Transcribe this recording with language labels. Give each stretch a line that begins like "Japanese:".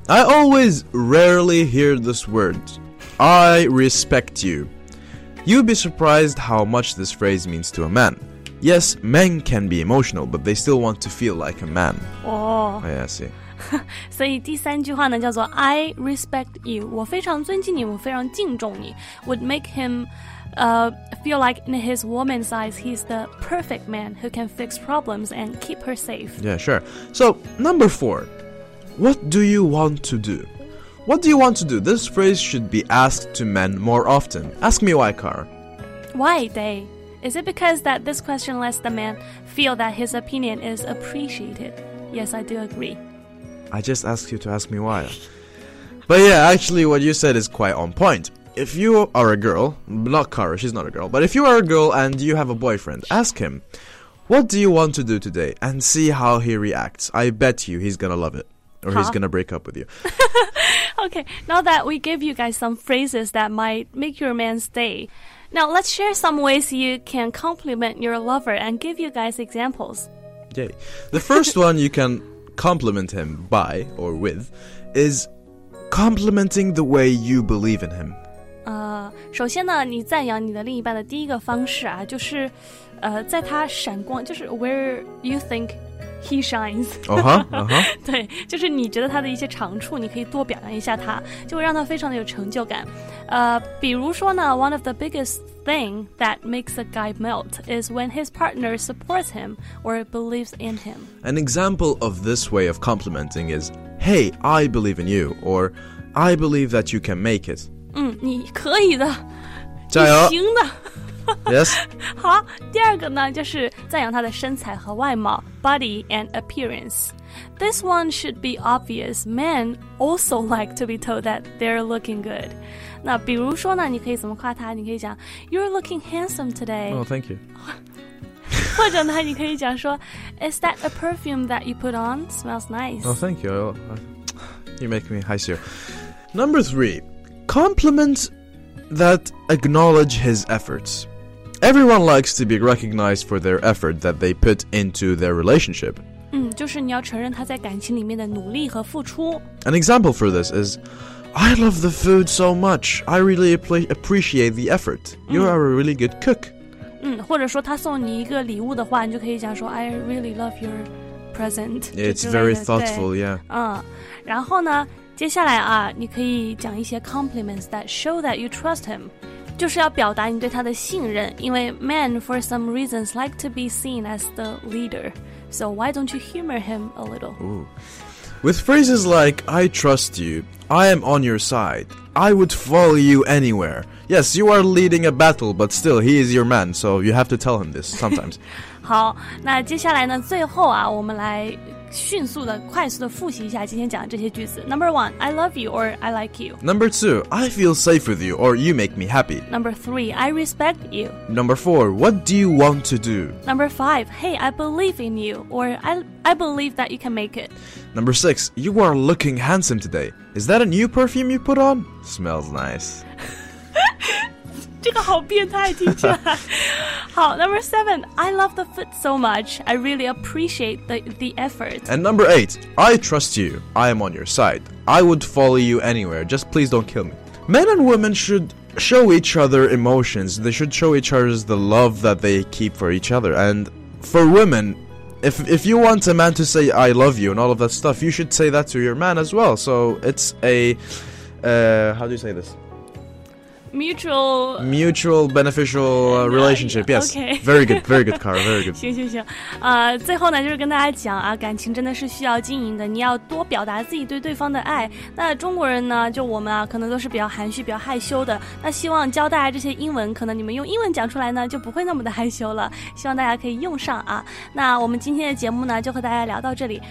English: I always rarely hear this word. I respect you. You'd be surprised how much this phrase means to a man. Yes, men can be emotional, but they still want to feel like a man. Oh. Yeah, I see.
Chinese: 所以第三句话呢叫做
English: I respect you.
Chinese: 我非常尊敬你，我非常敬重你。
English: Would make him... feel like in his woman's eyes he's the perfect man who can fix problems and keep her safe. Yeah, sure. So, number four, what do you want to do? What do you want to do? This phrase should be asked to men more often. Ask me why, Kara. Why, Day? Is it because that this question lets the man feel that his opinion is appreciated? Yes, I do agree. I just asked you to ask me why. But yeah, actually what you said is quite on point. If you are a girl, not Kara, she's not a girl, but if you are a girl and you have a boyfriend, ask him, what do you want to do today? And see how he reacts. I bet you he's gonna love it. Or he's gonna break up with you. Okay, now that we gave you guys some phrases that might make your man's day, now let's share some ways you can compliment your lover and give you guys examples. Yay. The first one you can compliment him by or with is complimenting the way you believe in him.
Chinese: 首先呢，你赞扬你的另一半的第一个方式啊，就是，在他闪光，就是
English: where you think he shines。
Chinese: 对，就是你觉得他的一些长处，你可以多表扬一下他，就会让他非常的有成就感。比如说呢
English: ，one of the biggest thing that makes a guy melt is when his partner supports him or believes in him. An example of this way of complimenting is, "Hey, I believe in you," or "I believe that you can make it."
Chinese: 你可以的，加油，你行的。
English: Yes.
Chinese: 好，第二个呢，就是赞扬他的身材和外貌 ，
English: body and appearance。 This one should be obvious. Men also like to be told that they're looking good.
Chinese: 那比如说呢，你可以怎么夸他？你可以讲
English: You're looking handsome today. Oh, thank you.
Chinese: 或者呢，你可以讲说
English: Is that a perfume that you put on? Smells nice. Oh, thank you. You make me
Chinese: 害羞.
English: Number three, compliments that acknowledge his efforts. Everyone likes to be recognized for their effort that they put into their relationship.
Chinese: 就是你要承认他在感情里面的努力和付出。
English: An example for this is, I love the food so much. I really appreciate the effort. You are a really good cook.
Chinese: 或者说他送你一个礼物的话，你就可以讲说
English: I really love your present. It's very thoughtful, yeah.
Chinese: 然后呢，接下来啊，你可以讲一些
English: compliments that show that you trust him.
Chinese: 就是要表达你对他的信任，因为
English: men for some reasons like to be seen as the leader. So why don't you humor him a little? Ooh. With phrases like I trust you, I am on your side, I would follow you anywhere. Yes, you are leading a battle, but still he is your man, so you have to tell him this sometimes.
Chinese: 好，那接下来呢，最后啊，我们来迅速的快速的复习一下今天讲的这些句子。
English: Number one, I love you or I like you. Number two, I feel safe with you or you make me happy. Number three, I respect you. Number four, what do you want to do? Number five, hey, I believe in you or I believe that you can make it. Number six, you are looking handsome today. Is that a new perfume you put on? Smells nice.
Chinese: 这个好变态听起来。
English: 好 ,Number 7, I love the food so much, I really appreciate the effort. And number 8, I trust you, I am on your side, I would follow you anywhere, just please don't kill me. Men and women should show each other emotions, they should show each other the love that they keep for each other, and for women, if you want a man to say I love you and all of that stuff, you should say that to your man as well, so it's a, how do you say this? Mutual beneficial relationship, yes. Okay. Very good, very good, Cara, very good.
Chinese: 行行行。最后呢就是跟大家讲啊，感情真的是需要经营的，你要多表达自己对对方的爱。那中国人呢，就我们啊，可能都是比较含蓄，比较害羞的。那希望教大家这些英文，可能你们用英文讲出来呢，就不会那么的害羞了。希望大家可以用上啊。那我们今天的节目呢，就和大家聊到这里。